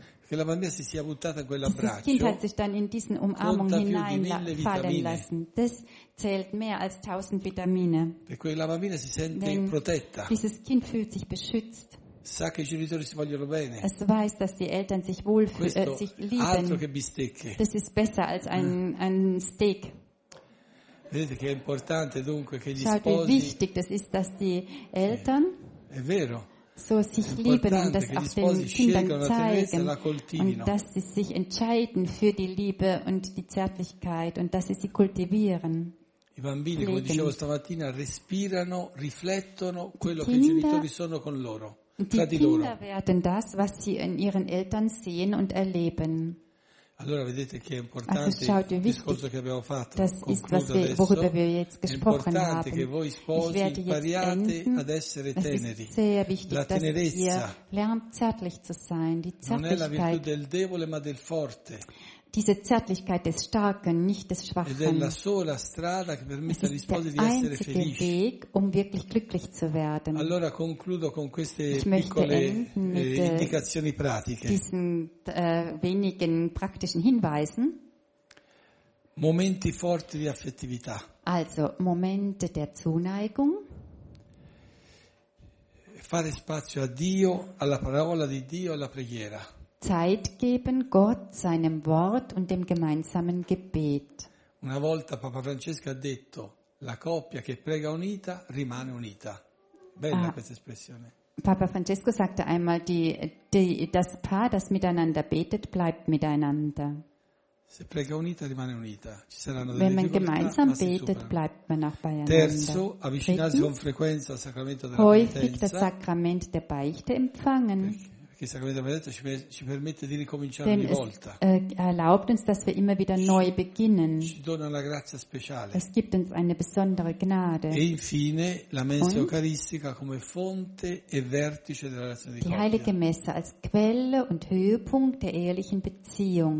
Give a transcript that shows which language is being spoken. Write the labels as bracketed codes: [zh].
[it] Che la bambina si sia buttata in quell'abbraccio. [de] Das Kind hat sich dann in diesen Umarmung hineinfallen lassen. Das zählt mehr als 1000 Vitamine. [it] E quella bambina si sente protetta. [de] Dieses Kind fühlt sich beschützt. [it] Sa che i genitori si vogliono bene. [de] Es weiß, dass die Eltern sich sich lieben. [it] Altro che bistecche. [de] Das ist besser als ein Steak. [it] Vedete che è importante dunque che gli sposi. [de] Schaut, wie wichtig das ist, dass die Eltern. [it] È vero. [de] So sich lieben und das auch den Kindern zeigen und dass sie sich entscheiden für die Liebe und die Zärtlichkeit und dass sie sie kultivieren. [it] I bambini, come dicevo stamattina, respirano, riflettono quello che i genitori sono con loro. [de] Die Kinder werden das, was sie in ihren Eltern sehen und erleben. [it] Allora vedete che è importante il discorso che abbiamo fatto. [de] Das ist, worüber wir jetzt gesprochen haben. [it] È importante che voi sposi impariate ad essere teneri. [de] Sehr wichtig, [it] la tenerezza. [de] Dass ihr lernt, zärtlich zu sein. Die Zärtlichkeit. [it] Non è la virtù del debole, ma del forte. [de] Diese Zärtlichkeit des Starken, nicht des Schwachen. [it] Ed è la sola strada che permette agli sposi di essere felici. [de] Es ist der einzige Weg, wirklich glücklich zu werden. [it] Allora concludo con queste piccole indicazioni pratiche. [de] Diesen wenigen praktischen Hinweisen. [it] Momenti forti di affettività. [de] Also Momente der Zuneigung. [it] Fare spazio a Dio, alla parola di Dio, alla preghiera. [de] Zeit geben Gott, seinem Wort und dem gemeinsamen Gebet. [it] Una volta Papa Francesco ha detto: la coppia che prega unita rimane unita. Bella questa espressione. [de] Papa Francesco sagte einmal: das Paar, das miteinander betet, bleibt miteinander. [it] Se prega unita, rimane unita. Ci saranno delle [de] Wenn man gemeinsam betet, bleibt man auch beieinander. [it] Terzo, avvicinarsi con frequenza al sacramento della penitenza. [de] Häufig das Sacrament der Beichte empfangen. [it] Che il sacramento della penitenza ci permette di ricominciare ogni volta. [de] Erlaubt uns, dass wir immer wieder neu beginnen. [it] Ci dona una grazia speciale. [de] Es gibt uns eine besondere Gnade. [it] E infine la messa eucaristica come fonte e vertice della relazione di coppia. [de] Die heilige Messe als Quelle und Höhepunkt der ehelichen Beziehung.